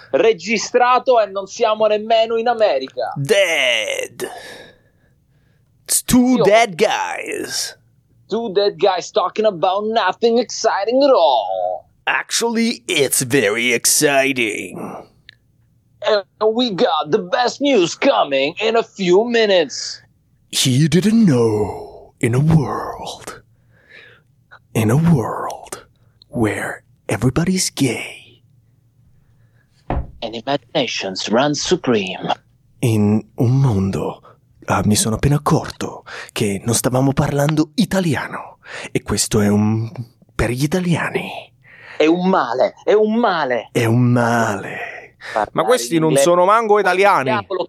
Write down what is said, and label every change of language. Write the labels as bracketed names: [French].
[Italian] Registrato e non siamo nemmeno in America. [English] Dead. It's two dead guys. Two dead guys talking about nothing exciting at all. Actually, it's very exciting. And we got the best news coming in a few minutes. He didn't know in a world where everybody's gay. And imaginations run supreme. [Italian] In un mondo, mi sono appena accorto che non stavamo parlando italiano. E questo è un... per gli italiani. È un male. Parlare, ma questi non sono manco italiani.